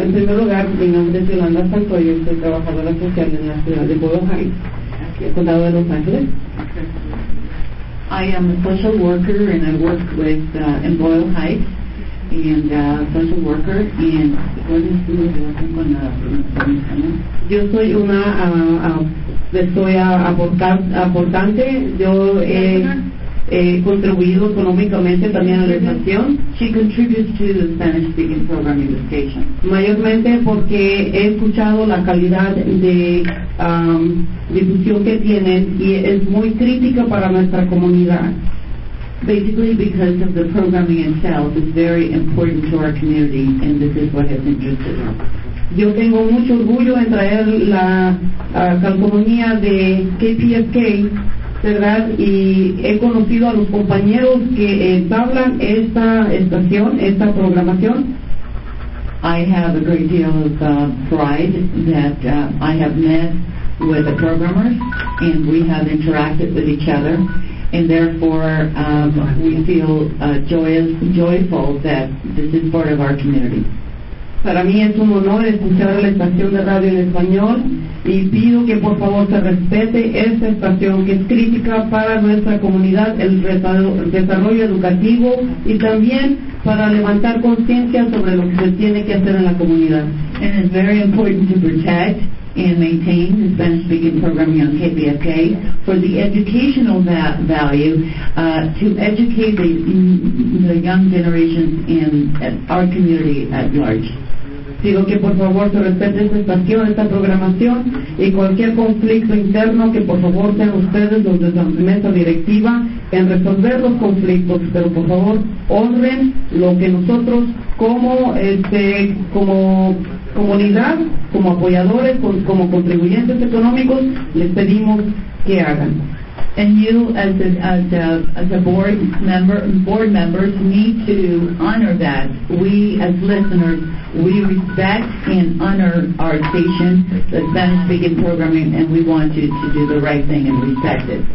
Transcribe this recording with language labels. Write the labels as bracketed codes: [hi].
[es] En primer lugar, mi nombre es Yolanda Santoyo, soy trabajadora social en la ciudad de Boyle Heights, el condado de Los Ángeles. [en] I am a social worker and I work with in Boyle Heights. And a social worker, and what is the relation [es] con la provincia? Yo soy una, estoy aportante, yo he contribuido económicamente también a la educación. [en] She contributes to the Spanish speaking program education. [es] Mayormente porque he escuchado la calidad de difusión que tienen y es muy crítica para nuestra comunidad. [en] Basically because of the programming itself is very important to our community, and this is what has interested us. [es] Yo tengo mucho orgullo en traer la calcomanía de KPFK, ¿verdad? Y he conocido a los compañeros que entablan esta estación, esta programación. [en] I have a great deal of pride that I have met with the programmers, and we have interacted with each other. And therefore, we feel joyful that this is part of our community. [es] Para mí es un honor escuchar la estación de radio en español, y pido que por favor se respete esta estación que es crítica para nuestra comunidad, el desarrollo educativo, y también para levantar conciencia sobre lo que se tiene que hacer en la comunidad. [en] And it's very important to protect and maintain the Spanish-speaking programming on KPFK for the educational value to educate the young generations in our community at large. [es] Digo que por favor se respete esta estación, esta programación, y cualquier conflicto interno que por favor sean ustedes los de la mesa directiva en resolver los conflictos, pero por favor honren lo que nosotros como como comunidad, como apoyadores, como contribuyentes económicos, les pedimos que hagan. [en] And you, as a board members, need to honor that. We, as listeners, we respect and honor our station, the Spanish-speaking programming, and we want you to do the right thing and respect it.